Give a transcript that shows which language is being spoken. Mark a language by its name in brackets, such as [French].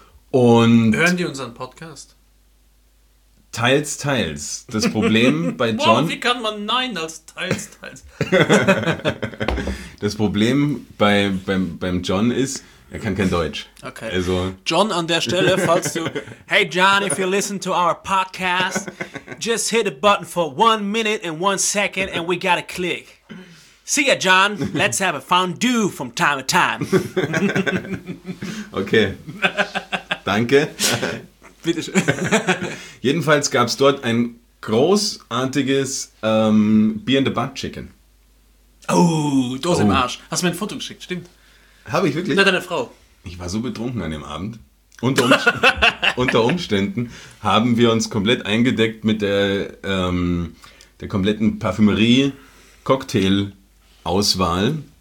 [German] Und hören die unseren Podcast? Teils, teils. Das Problem bei John... Wow, wie kann man Nein als teils, teils? Das Problem beim John ist, er kann kein Deutsch. Okay. Also, John, an der Stelle, falls du... [English] Hey John, if you listen to our podcast, just hit a button for 1 minute and 1 second and we got a click. See ya, John. Let's have a fondue from time to time. [German] Okay. Danke. Bitteschön. Jedenfalls gab es dort ein großartiges Beer in the Butt Chicken. Oh, Dose im Arsch. Hast du mir ein Foto geschickt, stimmt. Habe ich wirklich? Na, deine Frau. Ich war so betrunken an dem Abend. Unter Umständen haben wir uns komplett eingedeckt mit der kompletten Parfümerie-Cocktail-Auswahl.